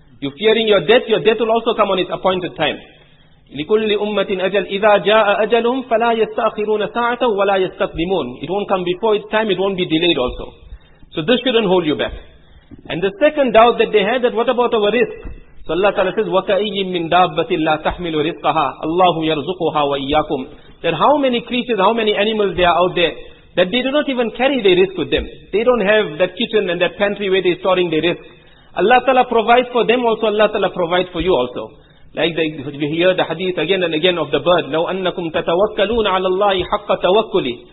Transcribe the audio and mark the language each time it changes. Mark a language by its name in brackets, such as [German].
[English] You fearing your death will also come on its appointed time. [Arabic] لِكُلِّ أُمَّةٍ أَجَلٍ إِذَا جَاءَ أَجَلُهُمْ فَلَا يَسْتَأْخِرُونَ سَاعَةً وَلَا يَسْتَقْدِمُونَ. [English] It won't come before its time, it won't be delayed also. So this shouldn't hold you back. And the second doubt that they had, that what about our risk? So Allah Ta'ala says, [Arabic] وَكَأَيِّمْ مِنْ دَابَّةٍ لَا تَحْمِلُ رِزْقَهَا اللَّهُ يَرْزُقُهَا وَإِيَّاكُمْ. [English] That how many creatures, how many animals they are out there, that they do not even carry their risk with them. They don't have that kitchen and that pantry where they're storing their risk. Allah Ta'ala provides for them also, Allah Ta'ala provides for you also. Like we hear the hadith again and again of the bird, [Arabic] لَوْ أَنَّكُمْ تَتَوَكَّلُونَ عَلَى اللَّهِ حَقَّ تَوَكُّلِ.